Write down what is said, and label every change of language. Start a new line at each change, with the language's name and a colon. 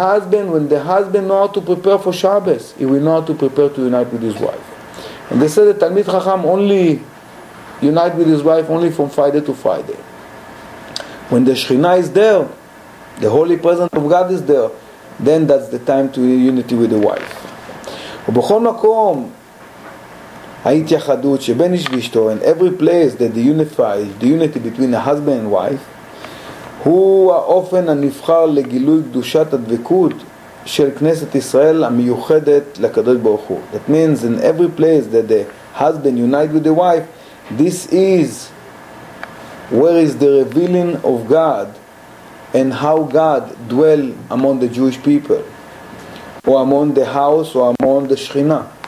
English: When the husband know how to prepare for Shabbos, he will know how to prepare to unite with his wife. And they said that Talmid Chacham only unite with his wife only from Friday to Friday. When the Shekhinah is there, the Holy Presence of God is there, then that's the time to unity with the wife.
Hebrew: ובכל מקום ההתייחדות שבין איש ואשתו,
English: in every place that they unify, the unity between the husband and wife,
Hebrew: הוא האופן הנבחר לגילוי קדושת הדבקות של כנסת ישראל המיוחדת לקדוש ברוך הוא.
English: That means in every place that the husband unites with the wife, this is where is the revealing of God and how God dwell among the Jewish people or among the house or among the Shekhinah.